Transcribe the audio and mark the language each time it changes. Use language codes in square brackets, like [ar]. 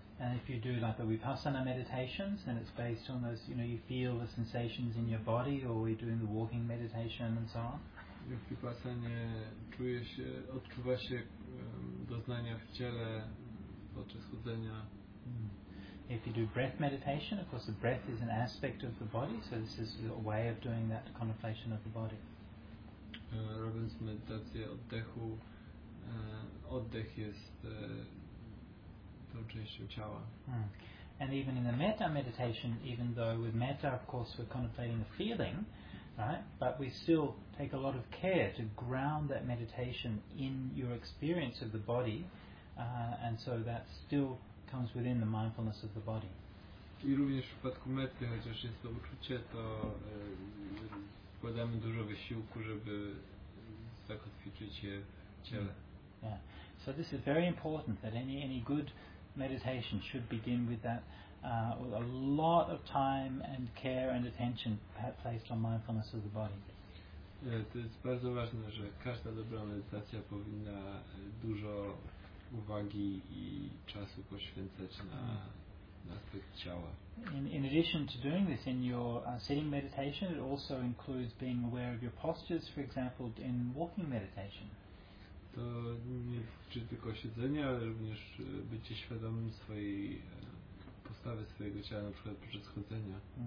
[en] And if you do like the vipassana meditations, then it's based on those, you feel the sensations in your body, or we're doing the walking meditation and so on. [pl] W vipassanie odczuwa się doznania w ciele podczas chodzenia. [en] If you do breath meditation, of course the breath is an aspect of the body, so this is a way of doing that contemplation of the body. [pl] Robiąc medytację oddechu, oddech jest tą częścią ciała. [en] And even in the metta meditation, even though with metta, of course, we're contemplating the feeling, right? But we still take a lot of care to ground that meditation in your experience of the body, and so that's still comes within the mindfulness of the body. [pl] I również w przypadku metty, chociaż jest to uczucie, to wkładamy dużo wysiłku, żeby zakotwiczyć je w ciele. [en] Yeah. So this is very important that any good meditation should begin with that, with a lot of time and care and attention placed on mindfulness of the body. [pl] To jest bardzo ważne, że każda dobra medytacja powinna dużo uwagi i czasu poświęcać na aspekt ciała. [en] In addition to doing this in your sitting meditation, it also includes being aware of your postures, for example, in walking meditation. [pl] To nie dotyczy tylko siedzenia, ale również bycie świadomym swojej postawy swojego ciała, na przykład podczas chodzenia.